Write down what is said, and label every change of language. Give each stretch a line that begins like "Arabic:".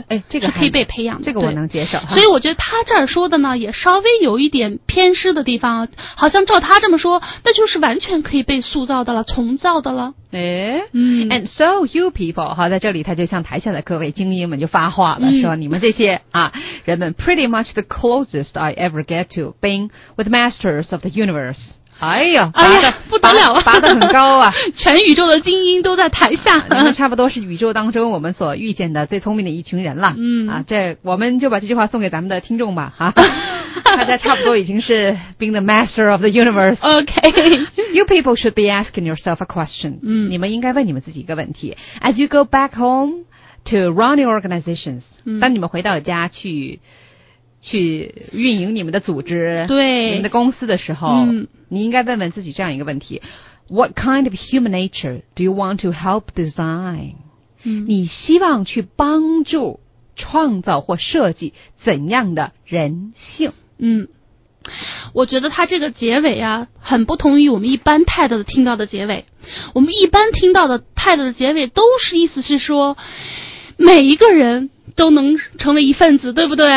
Chinese: 哎，这个是可以被培养的，这个我能接受。所以我觉得他这儿说的呢，也稍微有一点偏失的地方，好像照他这么说，那就是完全可以被塑造的了，重造的了。哎，嗯，
English: and so you people
Chinese: 哈，在这里他就向台下的各位精英们就发话了，嗯，说你们这些啊人们
English: ，pretty much the closest I ever get to being with masters of the universe。哎呀，
Chinese: 哎呀，不得了啊，拔得很高啊，全宇宙的精英都在台下，你们差不多是宇宙当中我们所遇见的最聪明的一群人了。嗯啊，这我们就把这句话送给咱们的听众吧，哈。大家差不多已经是
English: being the master of the universe. OK. You people should be asking yourself a question.、嗯、
Chinese: 你们应该问你们自己一个问题。
English: As you go back home to run your organizations,、嗯、
Chinese: 当你们回到家去去运营你们的组织，对你们的公司的时候、嗯、你应该问问自己这样一个问题。
English: What kind of human nature do you want to help design?、嗯、
Chinese: 你希望去帮助创造或设计怎样的人性？嗯，我觉得他这个结尾啊，很不同于我们一般态度的听到的结尾。我们一般听到的态度的结尾都是意思是说，每一个人都能成为一份子，对不对？